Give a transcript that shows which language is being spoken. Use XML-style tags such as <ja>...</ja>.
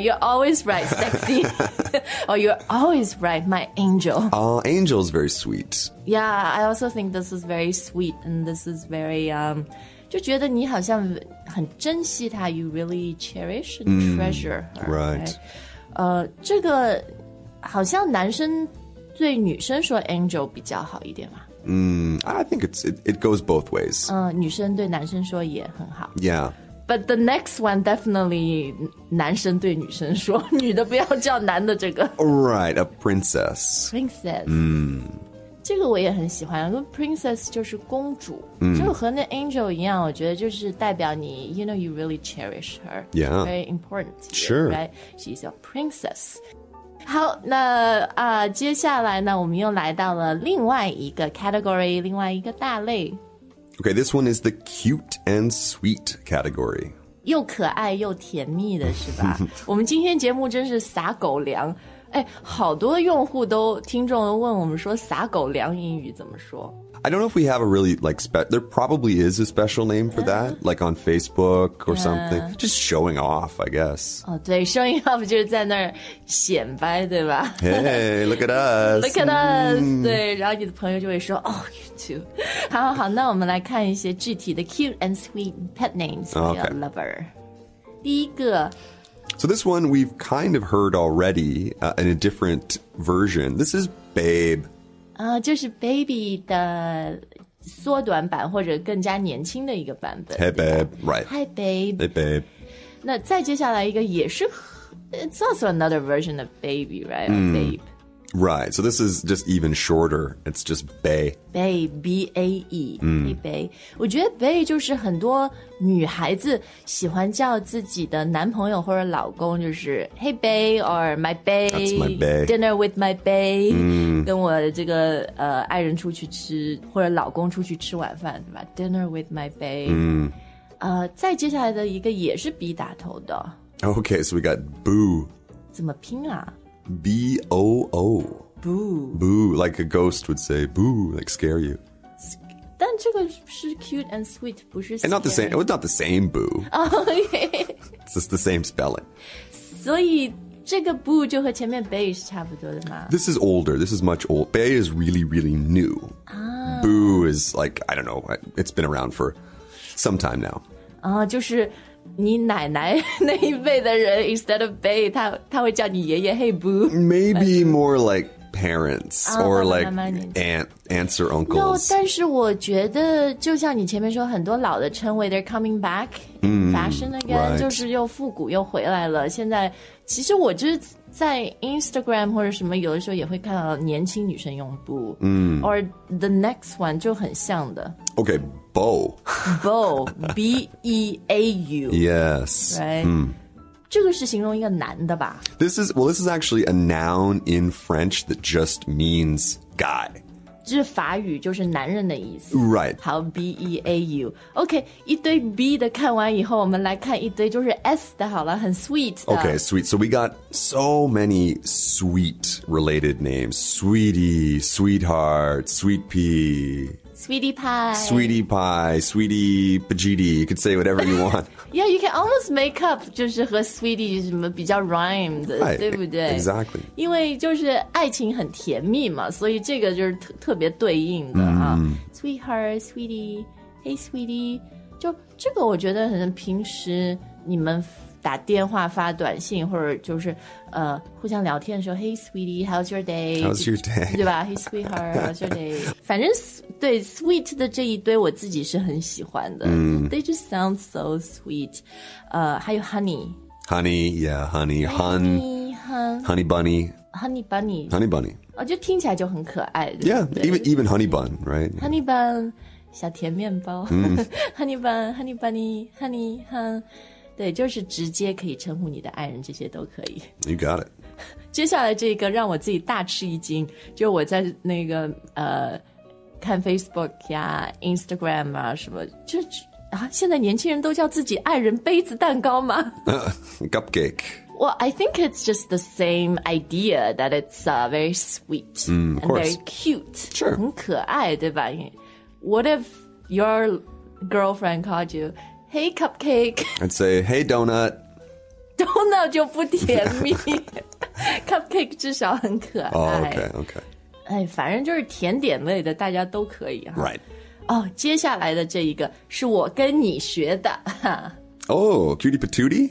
<en>You're always right, sexy. Oh, you're always right, my angel. Oh, angel's very sweet. Yeah, I also think this is very sweet, and this is very,</en> <zh>就觉得你好像很珍惜他</zh> <en>you really cherish and treasure her, right.</en> <zh>这个好像男生对女生说 angel 比较好一点嘛。</zh> <en>I think it goes both ways.</en> <zh>女生对男生说也很好。</zh> <en>Yeah. But the next one definitely</en> <zh>男生对女生说女的不要叫男的这个。</zh> <en>Right, a princess. Princess.</en> <zh>这个我也很喜欢 Princess 就是公主。这个和那 angel 一样我觉得就是代表你</zh> <en>You know, you really cherish her. Yeah. Very important to you, sure. Right? She's your princess.</en> <zh>好那、接下来呢我们又来到了另外一个 category, 另外一个大类。</zh> <en>Okay, this one is the cute and sweet category.</en> <zh>又可爱又甜蜜的是吧我们今天节目真是撒狗粮。哎好多用户都听众都问我们说撒狗粮英语怎么说。</zh> <en>I don't know if we have a really, like, there probably is a special name for that, like on Facebook or something. Just showing off, I guess.</en> <zh>Oh, 对 showing off 就是在那儿显摆对吧</zh> <en>Hey, look at us. Look at us.、</en> <zh>对然后你的朋友就会说</zh> <en>Oh, you too.</en> <zh>好好那我们来看一些具体的</zh> <en>cute and sweet pet names for、 okay. your lover. 第一个 So this one we've kind of heard already、in a different version. This is Babe.</en> <zh>就是 baby 的缩短版或者更加年轻的一个版本。</zh> <en>Hey babe, right. Hi babe. Hey babe.</en> <zh>那再接下来一个也是</zh> <en>It's also another version of baby, right? Babe. Right, so this is just even shorter. It's just bae. Bae, B-A-E. Hey bae.</en> <zh>我觉得 bae 就是很多女孩子喜欢叫自己的男朋友或者老公就是</zh> <en>Hey bae or my bae. That's my bae. Dinner with my bae.</en> <zh>跟我这个、爱人出去吃或者老公出去吃晚饭对吧</zh> <en>Dinner with my bae、</en> <zh>再接下来的一个也是 B 打头的</zh> <en>Okay, so we got boo</en> <zh>怎么拼啊</zh> <en>B-O-O Boo Boo, like a ghost would say Boo, like scare you</en> <zh>但这个是 cute and sweet 不是 scary</zh> <en>and not the same, It was not the same boo、 okay. It's just the same spelling</en> <zh>所以这个 boo 就和前面 bae 是差不多的嘛</zh> <en>This is older, this is much old Bae is really, really new、Boo is like, I don't know It's been around for some time now、</en> <zh>就是你奶奶那一辈的人</zh> <en>Instead of bae,</en> <zh>他会叫你爷爷</zh> <en>Hey boo Maybe more like parents、Or like aunts or uncles</en> <zh>No, 但是我觉得就像你前面说很多老的称谓</zh> <en>They're coming back fashion again、 right.</en> <zh>就是又复古又回来了现在其实我就是在 Instagram 或者什么有的时候也会看到年轻女生用 boo、</zh> <en>or the next one</en> <zh>就很像的</zh> <en>OK, bow bow, B-E-A-U yes</en> <zh>right、这个是形容一个男的吧</zh> <en>this is actually a noun in French that just means guy</en> <zh>这法语就是男人的意思</zh> <en>Right</en> <zh>好 B-E-A-U OK 一堆 B 的看完以后我们来看一堆就是 S 的好了很 sweet 的</zh> <en>OK sweet So we got so many sweet related names Sweetie, sweetheart, sweet pea Sweetie pie Sweetie pie, sweetie pajiti You could say whatever you want Yeah, you can almost make up</en> <zh>就是和 sweetie 什么比较 rhyme 的</zh> <en>right,</en> <zh>对不对</zh> <en>Exactly</en> <zh>因为就是爱情很甜蜜嘛所以这个就是特别对应的、Sweetheart, sweetie Hey, sweetie 就这个我觉得很平时你们打电话发短信或者就是、互相聊天的时候</zh> <en>Hey, sweetie, how's your day? How's your day?</en> <zh>对吧</zh> <en>Hey, sweetheart, how's your day?</en> <zh>反正对 sweet 的这一堆我自己是很喜欢的、</zh> <en>They just sound so sweet、</en> <zh>还有 honey</zh> <en>Honey, yeah, honey Honey, honey bunny Honey bunny Honey bunny、</en> <zh>就听起来就很可爱</zh> <en>Yeah, even honey bun, right?</en> <zh>Honey bun, 小甜面包、Honey bun, honey bunny, honey hun 对就是直接可以称呼你的爱人这些都可以</zh> <en>You got it</en> <zh>接下来这个让我自己大吃一惊就我在那个看 Facebook 呀 Instagram 啊什么就啊现在年轻人都叫自己爱人杯子蛋糕吗、</zh> <en>Cupcake. Well, I think it's just the same idea that it's very sweet、and very cute. Sure.</en> <zh>很可爱对吧</zh> <en>What if your girlfriend called you, hey cupcake? I'd say, hey donut.</en> <zh>Donut 就不甜蜜Cupcake 至少很可爱。</zh> <en>Oh, okay.</en> <zh>哎，反正就是甜点类的，大家都可以哈。</zh> <en>Right.</en> <zh>哦，接下来的这一个是我跟你学的。</zh> <en>Oh, cutie patootie?</en>